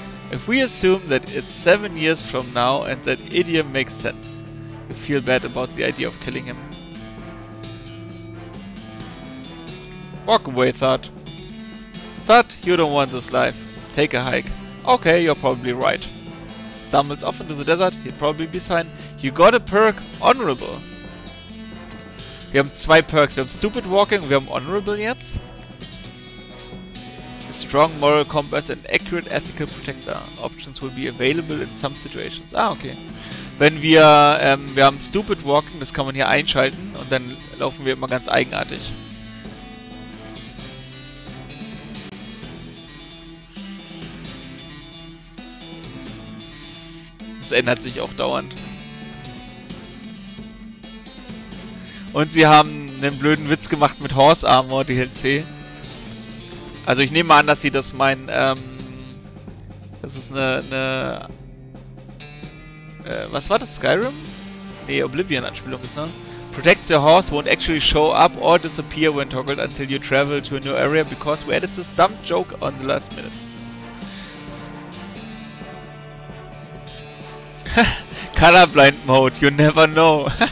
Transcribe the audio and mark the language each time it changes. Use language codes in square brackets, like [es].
[en] If we assume that it's 7 years from now and that idiom makes sense, you feel bad about the idea of killing him. Walk away, Thought. Thought, you don't want this life. Take a hike. Okay, you're probably right. Stumbles off into the desert, he'd probably be fine. You got a perk, honorable. [de] Wir haben zwei Perks. Wir haben Stupid Walking und wir haben Honorable jetzt. [en] A strong Moral Compass and Accurate Ethical Protector. Options will be available in some situations. Ah, okay. [de] Wenn wir, wir haben Stupid Walking, das kann man hier einschalten und dann laufen wir immer ganz eigenartig. Das ändert sich auch dauernd. Und sie haben einen blöden Witz gemacht mit Horse Armor DLC. Also ich nehme an, dass sie das meinen, das ist eine was war das? Skyrim? Nee, Oblivion-Anspielung ist, ne? [en] Protects your horse won't actually show up or disappear when toggled until you travel to a new area because we added this dumb joke on the last minute. Colorblind Mode, you never know.